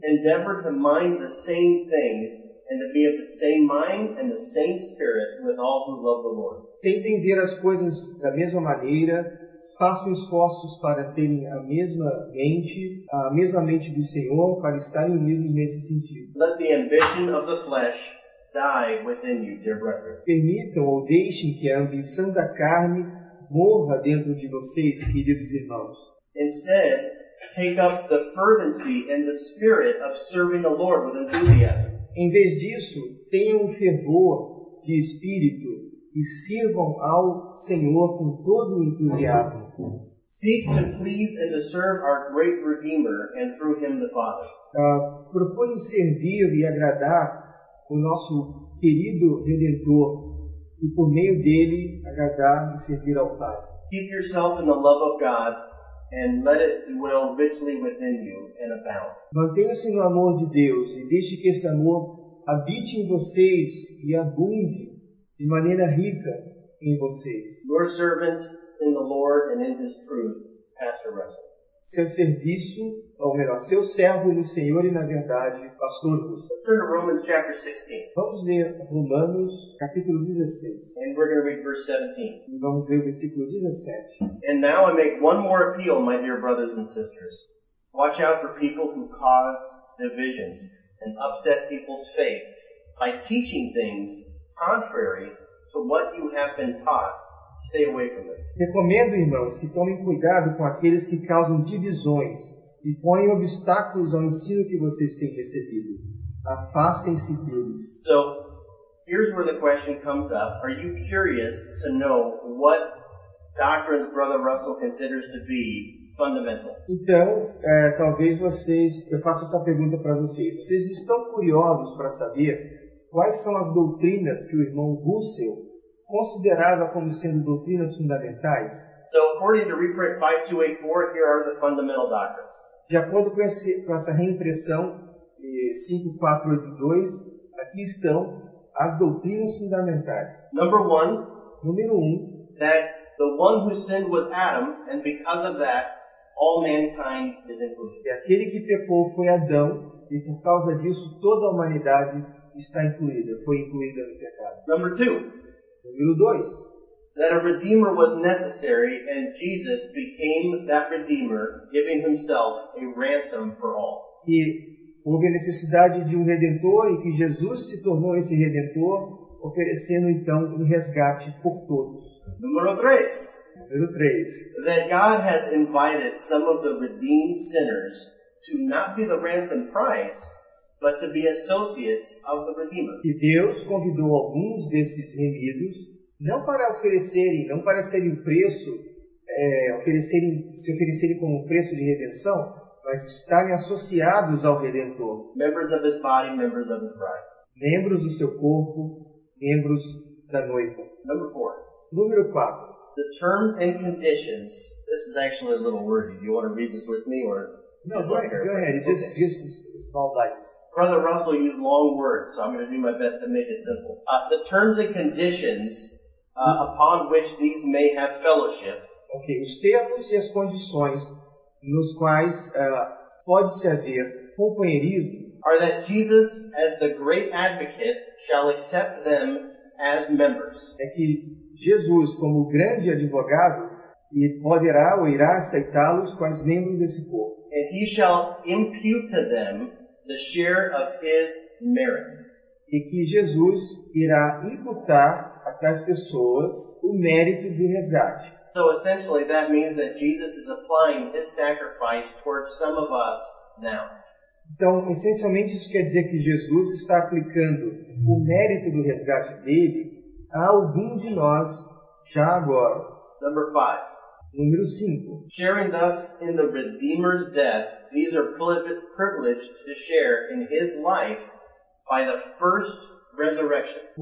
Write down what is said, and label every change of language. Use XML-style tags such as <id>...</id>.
<en>Endeavor to mind the same things and to be of the same mind and the same spirit with all who love the Lord.</en> <pt>Tentem ver as coisas da mesma maneira, façam esforços para terem a mesma mente do Senhor, para estarem unidos nesse sentido.</pt> <en>Let the ambition of the flesh die within you, dear brother.</en> <pt>Permitam ou deixem que a ambição da carne morra dentro de vocês, queridos irmãos.</pt> <en>Instead, take up the fervency and the spirit of serving the Lord with enthusiasm.</en> <pt>Em vez disso, tenham fervor de espírito e sirvam ao Senhor com todo o entusiasmo.</pt> <en>Seek to please and to serve our great Redeemer and through him the Father.</en> <pt>Proponham servir e agradar o nosso querido Redentor e por meio dele agradar e servir ao Pai.</pt> <en>Keep yourself in the love of God and let it dwell richly within you and abound.</en> <pt>Mantenha-se no amor de Deus e deixe que esse amor habite em vocês e abunde de maneira rica em vocês.</pt> <en>Your servant in the Lord and in His truth, Pastor Russell.</en> <pt>Seu serviço, ou melhor, seu servo no Senhor e na verdade, Pastor Russell.</pt> <en>Turn to Romans chapter 16.</en> <pt>Vamos ler Romanos capítulo 16.</pt> <en>And we're going to read verse 17.</en> <pt>E vamos ler o versículo 17.</pt> <en>And now I make one more appeal, my dear brothers and sisters. Watch out for people who cause divisions and upset people's faith by teaching things contrary to what you have been taught. Stay away from it.</en> <pt>Recomendo, irmãos, que tomem cuidado com aqueles que causam divisões e põem obstáculos ao ensino que vocês têm recebido. Afastem-se deles.</pt> <en>So, here's where the question comes up. Are you curious to know what doctrines Brother Russell considers to be fundamental?</en> <pt>Então, talvez vocês... Eu faço essa pergunta para vocês. Vocês estão curiosos para saber quais são as doutrinas que o irmão Russell considerava como sendo doutrinas fundamentais?</pt> <en>So, according to reprint 5284, here are the fundamental doctrines.</en> <pt>De acordo com essa reimpressão 5482, aqui estão as doutrinas fundamentais.</pt> <en>Number one,</en> <pt>número 1,</pt> <en>that the one who sinned was Adam, and because of that, all mankind is included.</en> <pt>E aquele que pecou foi Adão, e por causa disso, toda a humanidade está incluída, foi incluída no pecado.</pt> <en>Number two,</en> <pt>número 2,</pt> <en>that a redeemer was necessary and Jesus became that redeemer, giving himself a ransom for all.</en> <pt>E houve a necessidade de um redentor e que Jesus se tornou esse redentor, oferecendo então um resgate por todos. Número 3,</pt> <en>that God has invited some of the redeemed sinners to not be the ransom price, but to be associates of the Redeemer.</en> <pt>E Deus convidou alguns desses remidos não para oferecerem, não para serem preço, oferecerem, se oferecerem como preço de redenção, mas estarem associados ao Redentor.</pt> <en>Members of his body, members of his bride.</en> <pt>Membros do seu corpo, membros da noiva.</pt> <en>Number four.</en> <pt>Número 4.</pt> <en>The terms and conditions. This is actually a little wordy. Do you want to read this with me or? No, go ahead. Just small bites. Brother Russell used long words, so I'm going to do my best to make it simple. The terms and conditions upon which these may have fellowship.</en> <pt>Okay, os termos e as condições nos quais pode se haver companheirismo</pt> <en>are that Jesus, as the great advocate, shall accept them as members.</en> <pt>É que Jesus, como grande advogado, poderá ou irá aceitá-los quais membros desse corpo.</pt> <en>And he shall impute to them the share of his merit.</en> <pt>E que Jesus irá imputar a tais pessoas o mérito do resgate.</pt> <en>So essentially that means that Jesus is applying his sacrifice towards some of us now.</en> <pt>Então, essencialmente, isso quer dizer que Jesus está aplicando o mérito do resgate dele a algum de nós já agora.</pt> <en>Number 5.</en> <pt>Número 5.</pt> <en>Sharing thus in the Redeemer's death, these are privileged to share in his life by the first resurrection.</en>